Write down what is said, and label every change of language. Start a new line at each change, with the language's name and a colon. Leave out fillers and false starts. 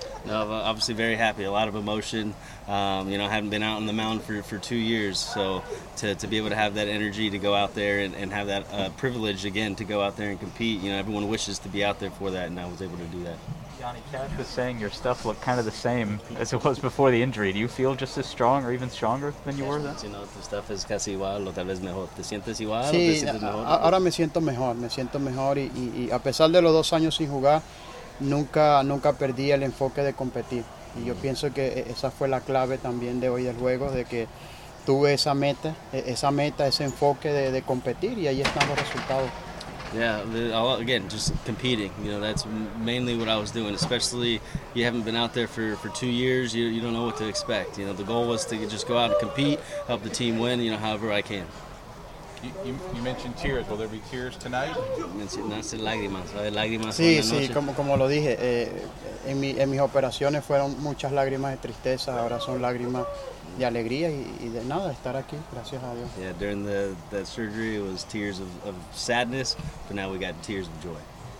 English: No, obviously very happy, a lot of emotion. You know, I haven't been out on the mound for 2 years, so to be able to have that energy to go out there and have that privilege again to go out there and compete, you know, everyone wishes to be out there for that, and I was able to do that. Yonny, Cash was saying your stuff looked kind of the same as it was before the injury. Do you feel just as strong or even stronger than you were then?
Spanish: Si no, tu stuff es casi igual o tal vez mejor. ¿Te sientes igual? Sí, ahora me siento mejor y a pesar de los dos años sin jugar, nunca perdí el enfoque de competir. Y yo pienso que esa fue la clave también de hoy del juego, de que tuve esa meta, ese enfoque de competir, y ahí están los resultados.
English: Yeah, again, just competing, you know, that's mainly what I was doing, especially you haven't been out there for 2 years, you don't know what to expect, you know, the goal was to just go out and compete, help the team win, you know, however I can. You mentioned tears, will there be tears tonight?
Spanish: Mencionaste lágrimas, ¿hay lágrimas? Sí, sí, como lo dije, en mis operaciones fueron muchas lágrimas de tristeza, ahora son lágrimas de alegría y de nada, estar aquí, gracias a Dios.
English: Yeah, during the surgery it was tears of sadness, but now we got tears of joy.